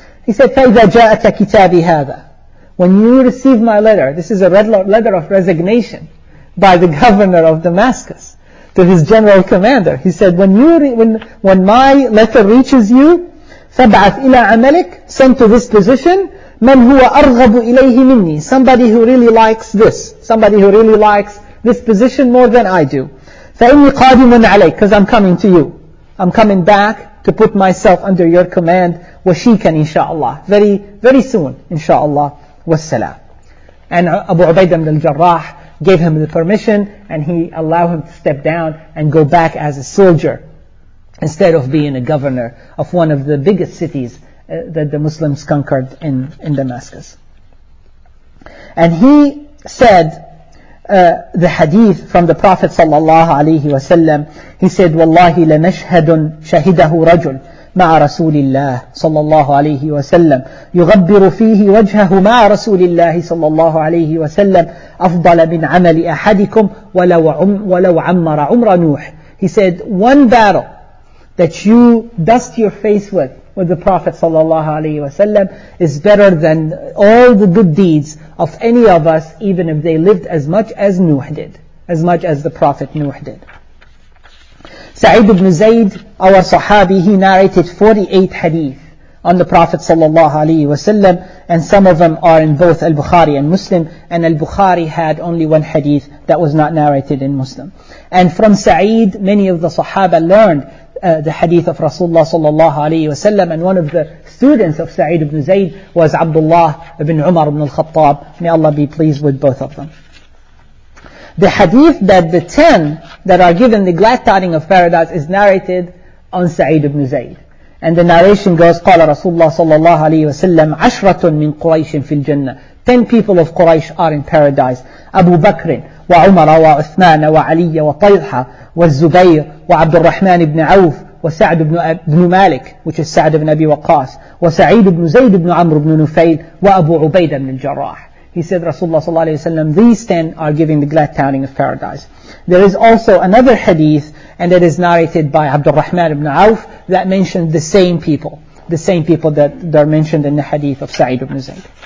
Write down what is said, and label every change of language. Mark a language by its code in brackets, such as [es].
[en] He said, [ar] فَإِذَا جَاءَكَ كِتَابِ هَذَا. [en] When you receive my letter, this is a letter of resignation by the governor of Damascus to his general commander. He said, when my letter reaches you, [ar] فَبْعَثْ إِلَىٰ عَمَلِكَ, [en] send to this position, [ar] مَنْ هُوَ أَرْغَبُ إِلَيْهِ مِنِّي, [en] somebody who really likes this, somebody who really likes this position more than I do. [ar] فَإِنِّي قَادِمٌ عَلَيْكَ, [en] because I'm coming to you. I'm coming back to put myself under your command, [ar] وَشِيكًا [en] inshaAllah, very, very soon, inshaAllah. [ar] والسلام. [en] And Abu Ubaidah ibn al-Jarrah gave him the permission and he allowed him to step down and go back as a soldier instead of being a governor of one of the biggest cities that the Muslims conquered in Damascus. And he said the hadith from the Prophet sallallahu alayhi wa sallam, he said, [ar] وَاللَّهِ لَنَشْهَدٌ شَهِدَهُ رَجُلٌ مع رسول الله صلى الله عليه وسلم يغبر فيه وجهه مع رسول الله صلى الله عليه وسلم أفضل من عمل أحدكم ولو عمر عمر نوح. [en] He said, one battle that you dust your face with the Prophet صلى الله عليه وسلم is better than all the good deeds of any of us, even if they lived as much as Nuh did, as much as the Prophet Nuh did. Sa'id ibn Zayd, our Sahabi, he narrated 48 hadith on the Prophet sallallahu alaihi wasallam, and some of them are in both Al-Bukhari and Muslim, and Al-Bukhari had only one hadith that was not narrated in Muslim. And from Sa'id, many of the Sahaba learned the hadith of Rasulullah sallallahu alaihi wasallam, and one of the students of Sa'id ibn Zayd was Abdullah ibn Umar ibn al-Khattab. May Allah be pleased with both of them. The hadith that the 10 that are given the glad tidings of paradise is narrated on Sa'id ibn Zayd. And the narration goes, [ar] قال رسول الله صلى الله عليه وسلم عشرة من قريش في الجنة. [en] 10 people of Quraysh are in paradise. Abu Bakr, [ar] وعمر وعثمان وعلي وطلحة والزبير وعبد الرحمن بن عوف وسعد بن مالك [en] which is [ar] سعد بن أبي وقاص وسعيد بن زيد بن عمرو بن نفيل وأبو عبيدة بن الجراح. [en] He said Rasulullah صلى الله عليه وسلم, these 10 are giving the glad tidings of paradise. There is also another hadith, and it is narrated by Abd al-Rahman ibn Auf, that mentioned the same people. The same people that are mentioned in the hadith of Sa'id ibn Zayd.